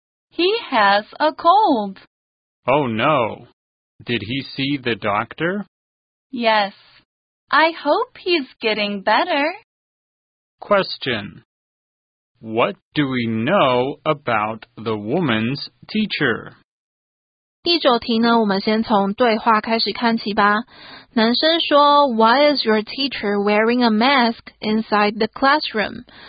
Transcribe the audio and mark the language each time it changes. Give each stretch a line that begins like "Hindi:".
English: He has a cold. Oh no. Did he see the doctor? Yes. I hope he's getting better. Question. What do we know about the woman's teacher?
Chinese: 第九题呢，我们先从对话开始看起吧。男生说
English: Why is your teacher wearing a mask inside the classroom?